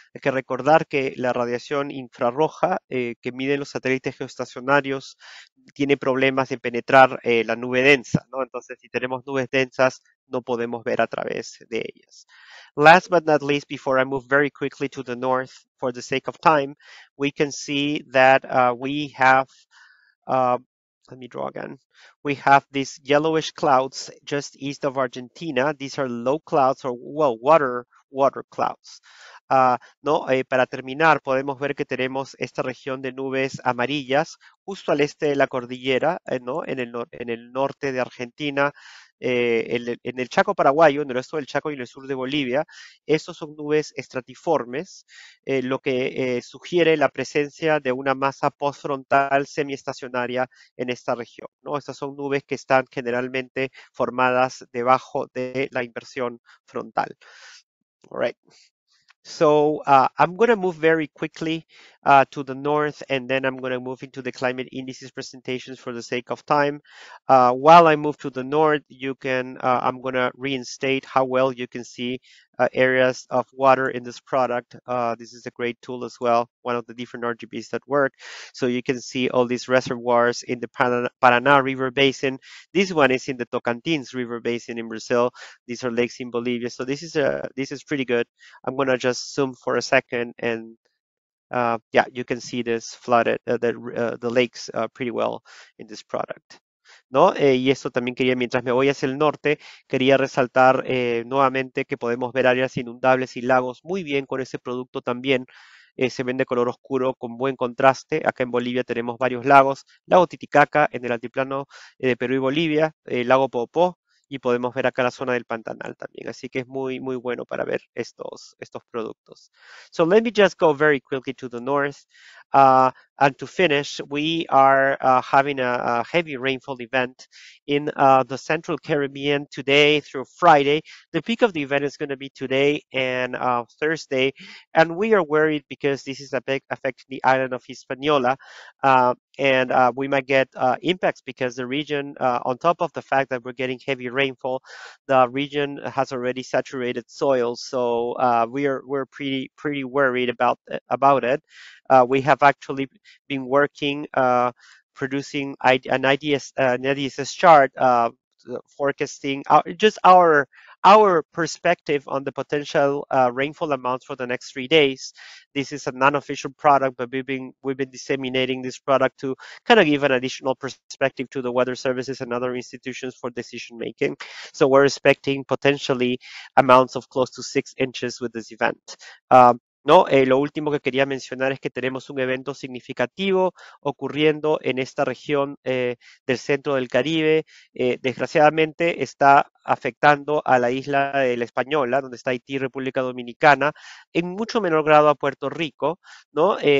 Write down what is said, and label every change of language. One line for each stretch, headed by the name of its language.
Spanish: Hay que recordar que la radiación infrarroja que miden los satélites geoestacionarios tiene problemas de penetrar la nube densa, ¿no? Entonces, si tenemos nubes densas, no podemos ver a través de ellas.
English: Last but not least, before I move very quickly to the north for the sake of time, we can see that we have, let me draw again, we have these yellowish clouds just east of Argentina. These are low clouds or, well, water clouds.
Spanish: No, para terminar, podemos ver que tenemos esta región de nubes amarillas justo al este de la cordillera, ¿no? En el norte de Argentina, en el Chaco paraguayo, en el oeste del Chaco y en el sur de Bolivia. Estos son nubes estratiformes, lo que sugiere la presencia de una masa postfrontal semiestacionaria en esta región, ¿no? Estas son nubes que están generalmente formadas debajo de la inversión frontal.
English: All right. So I'm going to move very quickly to the north, and then I'm going to move into the climate indices presentations for the sake of time. While I move to the north, I'm going to reinstate how well you can see areas of water in this product. This is a great tool as well, one of the different RGBs that work. So you can see all these reservoirs in the Paraná River Basin. This one is in the Tocantins River Basin in Brazil. These are lakes in Bolivia. So this is pretty good. I'm going to just zoom for a second, and you can see this flooded the lakes pretty well in this product.
Spanish: ¿No? Y esto también quería, mientras me voy hacia el norte, quería resaltar nuevamente que podemos ver áreas inundables y lagos muy bien con ese producto también. Se ven de color oscuro con buen contraste. Acá en Bolivia tenemos varios lagos: Lago Titicaca en el altiplano de Perú y Bolivia, Lago Popó, y podemos ver acá la zona del Pantanal también. Así que es muy, muy bueno para ver estos productos.
English: So let me just go very quickly to the north. And to finish, we are having a heavy rainfall event in the Central Caribbean today through Friday. The peak of the event is going to be today and Thursday. And we are worried because this is a big affecting the island of Hispaniola. And we might get impacts because the region, on top of the fact that we're getting heavy rainfall, the region has already saturated soil. So we're pretty worried about it. We have actually been working producing an IDS chart forecasting just our perspective on the potential rainfall amounts for the next 3 days. This is a non-official product, but we've been disseminating this product to kind of give an additional perspective to the weather services and other institutions for decision making. So we're expecting potentially amounts of close to 6 inches with this event.
Spanish: No, lo último que quería mencionar es que tenemos un evento significativo ocurriendo en esta región del centro del Caribe. Desgraciadamente está afectando a la isla de La Española, donde está Haití, República Dominicana, en mucho menor grado a Puerto Rico, ¿no?